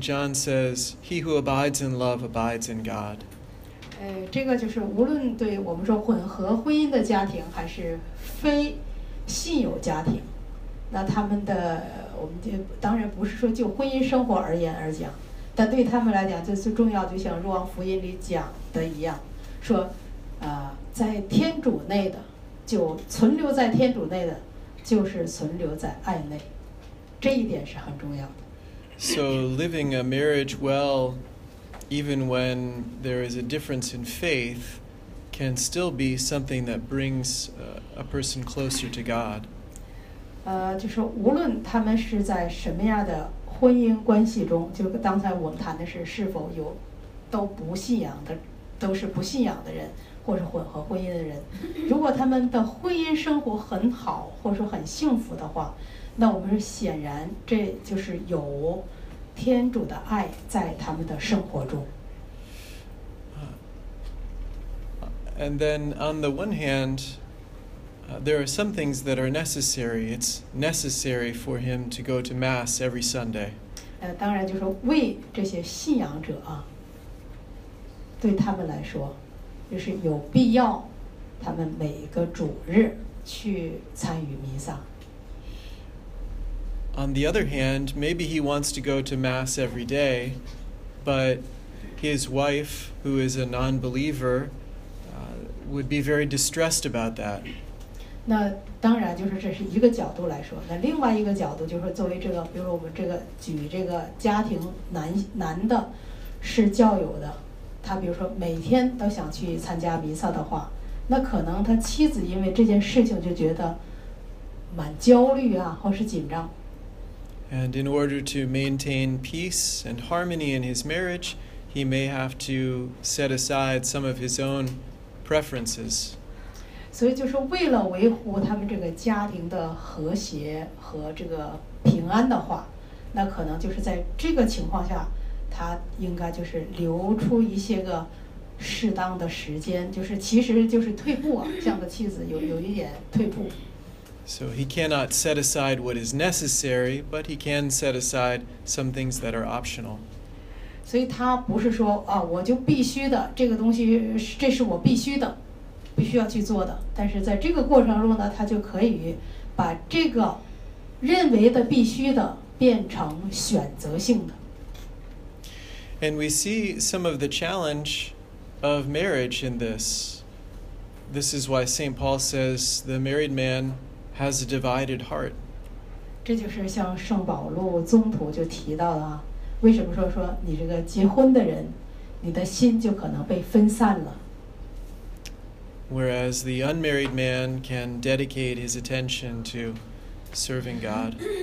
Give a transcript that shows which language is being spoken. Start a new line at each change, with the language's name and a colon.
English: John says, he who abides in love abides in God.
Chinese: 这个就是无论对我们说混合婚姻的家庭还是非信友家庭，那他们的我们就当然不是说就婚姻生活而言而讲，但对他们来讲最重要，就像若望福音里讲的一样，说在天主内的就存留在天主内的就是存留在爱内，这一点是很重要的。
English: So living a marriage well even when there is a difference in faithcan still be something that brings a person closer to God.
Chinese: 就是无论他们是在什么样的婚姻关系中，就刚才我们谈的是否有都不信仰的，都是不信仰的人，或是混合婚姻的人，如果他们的婚姻生活很好，或者说很幸福的话，那我们是显然这就是有天主的爱在他们的生活中。
English: And then on the one hand, there are some things that are necessary. It's necessary for him to go to Mass every Sunday.
Chinese: 当然就是为这些信仰者啊，对他们来说，就是有必要他们每个主日去参与弥撒。
English: On the other hand, maybe he wants to go to Mass every day, but his wife, who is a non-believer,would be very distressed about that.
Chinese: 那当然就是这是一个角度来说，那另外一个角度就是作为这个，比如我们这个举这个家庭男的是教友的，他比如说每天都想去参加弥撒的话，那可能他妻子因为这件事情就觉得蛮焦虑啊，或是紧张。
English: And in order to maintain peace and harmony in his marriage, he may have to set aside some of his ownpreferences.
Chinese: 所以就是为了维护他们这个家庭的和谐和这个平安的话，那可能就是在这个情况下，他应该就是留出一些个适当的时间，就是其实就是退步啊，这样的妻子有一点退步。
English: So he cannot set aside what is necessary, but he can set aside some things that are optional.
Chinese: 所以他不是说啊，我就必须的，这个东西这是我必须的，必须要去做的。但是在这个过程中呢，他就可以把这个认为的必须的变成选择性的。
English: And we see some of the challenge of marriage in this. This is why St. Paul says the married man has a divided heart.
Chinese: 这就是像圣保禄宗徒就提到的啊。为什么说你这个结婚的人，你的心就可能被分散了。
English: Whereas the unmarried man can dedicate his attention to serving God.